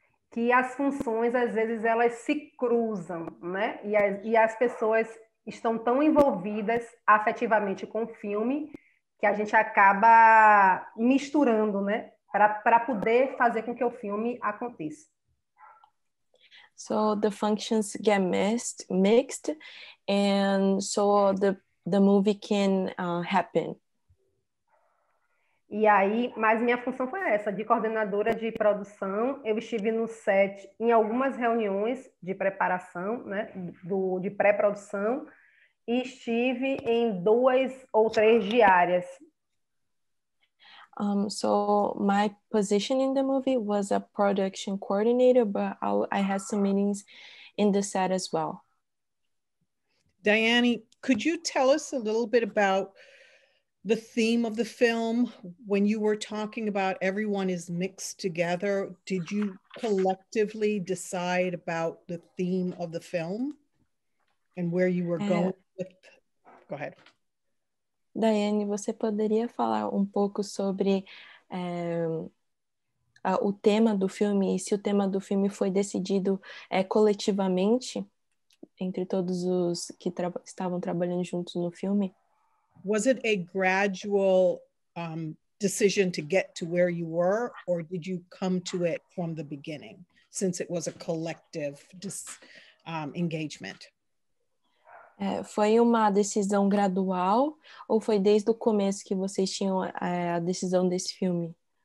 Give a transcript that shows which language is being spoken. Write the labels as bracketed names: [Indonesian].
[Portuguese] Que as funções, às vezes, elas se cruzam, né? E as pessoas estão tão envolvidas afetivamente com o filme que a gente acaba misturando, né? Para poder fazer com que o filme aconteça. [English] So the functions get mixed, and so the movie can happen. [Portuguese] E aí, mas minha função foi essa, de coordenadora de produção. Eu estive no set em algumas reuniões de preparação, né, de pré-produção, e estive em duas ou três diárias. [English] So my position in the movie was a production coordinator, but I had some meetings in the set as well. Diane, could you tell us a little bit about the theme of the film? When you were talking about everyone is mixed together, did you collectively decide about the theme of the film and where you were going with? Go ahead. [Portuguese] Daiane, você poderia falar um pouco sobre o tema do filme e se o tema do filme foi decidido coletivamente entre todos os que estavam trabalhando juntos no filme? [English] Was it a gradual decision to get to where you were, or did you come to it from the beginning, since it was a collective engagement? [Portuguese] Foi uma decisão gradual ou foi desde o começo que vocês tinham a decisão desse filme?